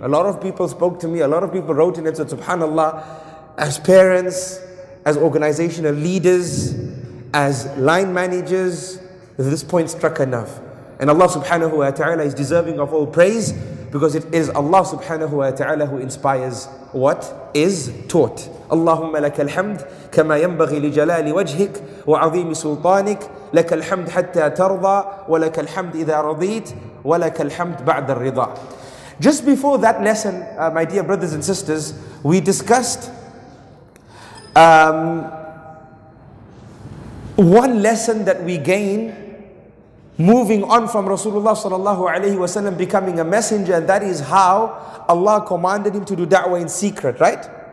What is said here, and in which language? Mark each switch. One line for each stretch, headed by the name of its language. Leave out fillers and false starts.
English: A lot of people spoke to me, a lot of people wrote in and said, subhanAllah, as parents, as organizational leaders, as line managers, this point struck a nerve. And Allah subhanahu wa ta'ala is deserving of all praise because it is Allah subhanahu wa ta'ala who inspires what is taught.
Arabic: اللهم لك الحمد كما ينبغي لجلال وجهك وعظيم سلطانك لك الحمد حتى ترضى ولك الحمد إذا رضيت ولك الحمد بعد الرضا.
English: Just before that lesson, my dear brothers and sisters, we discussed one lesson that we gain moving on from Rasulullah sallallahu alayhi wa sallam becoming a messenger, and that is how Allah commanded him to do da'wah in secret, right?